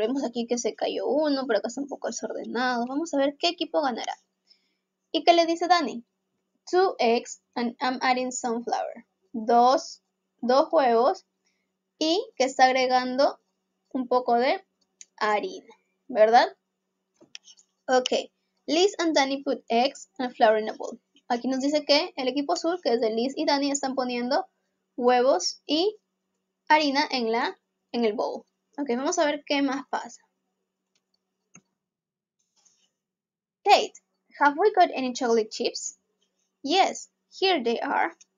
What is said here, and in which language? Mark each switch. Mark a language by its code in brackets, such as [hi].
[es] Vemos aquí que se cayó uno, pero acá está un poco desordenado. Vamos a ver qué equipo ganará. ¿Y qué le dice Danny? [en] Two eggs and I'm adding some flour. [es] Dos huevos y que está agregando un poco de harina, ¿verdad? [en] Ok. Liz and Danny put eggs and flour in a bowl. [es] Aquí nos dice que el equipo azul, que es de Liz y Danny, están poniendo huevos y harina en el bowl. Ok, vamos a ver qué más pasa. [en] Kate, have we got any chocolate chips? Yes, here they are.